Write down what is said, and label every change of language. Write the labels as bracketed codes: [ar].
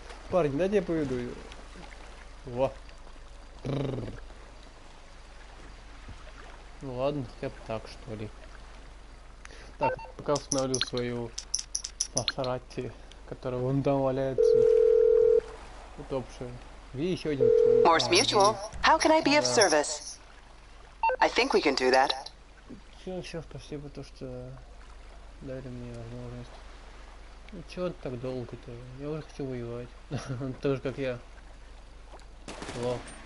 [ru] Парни, дайте я поведу ее. Во! Ну ладно, хотя бы так, что ли. Так, пока установлю свою Масерати, которая вон там валяется. Утопшая. Где еще один? [en] Морс Мьючуал, how can I be of service? I think we can do that. [ru] Все, спасибо, то, что дали мне возможность. Ну, чего ты так долго-то? Я уже хочу воевать. Тоже как я. Ло.